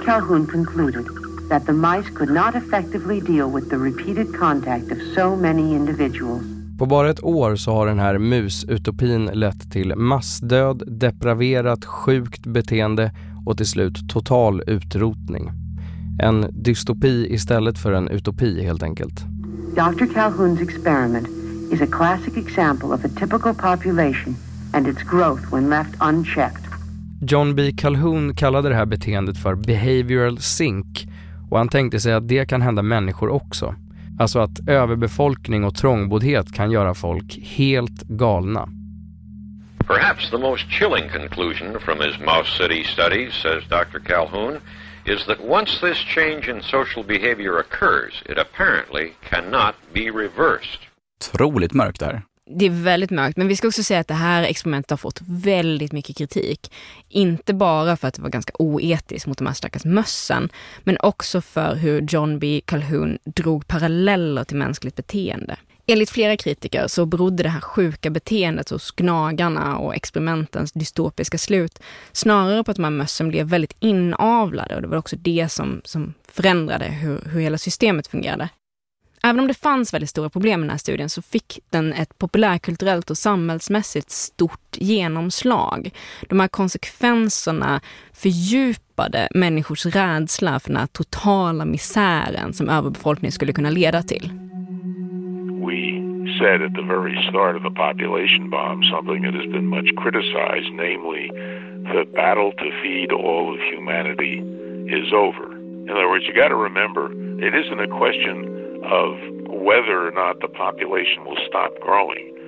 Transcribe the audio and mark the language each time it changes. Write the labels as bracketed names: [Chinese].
[English] Calhoun concluded that the mice could not effectively deal with the repeated contact of so many individuals. [Swedish] På bara ett år så har den här musutopin lett till massdöd, depraverat, sjukt beteende och till slut total utrotning. En dystopi istället för en utopi, helt enkelt. [English] Dr. Calhoun's experiment is a classic example of a typical population and its growth when left unchecked. [Swedish] John B. Calhoun kallade det här beteendet för behavioral sink, och han tänkte sig att det kan hända människor också. Alltså att överbefolkning och trångboddhet kan göra folk helt galna. [English] Perhaps the most chilling conclusion from his Mouse City studies, says Dr. Calhoun, is that once this change in social behavior occurs, it apparently cannot be reversed. [Swedish] Otroligt mörkt där. Det är väldigt mörkt, men vi ska också säga att det här experimentet har fått väldigt mycket kritik. Inte bara för att det var ganska oetiskt mot de här stackars mössen, men också för hur John B. Calhoun drog paralleller till mänskligt beteende. Enligt flera kritiker så berodde det här sjuka beteendet hos gnagarna och experimentens dystopiska slut snarare på att de här mössen blev väldigt inavlade, och det var också det som förändrade hur hela systemet fungerade. Även om det fanns väldigt stora problem i den här studien så fick den ett populärkulturellt och samhällsmässigt stort genomslag. De här konsekvenserna fördjupade människors rädsla för den här totala misären som överbefolkningen skulle kunna leda till. [English] We said at the very start of the population bomb something that has been much criticized, namely the battle to feed all of humanity is over. In other words, you got to remember, it isn't a question of whether or not the population will stop growing.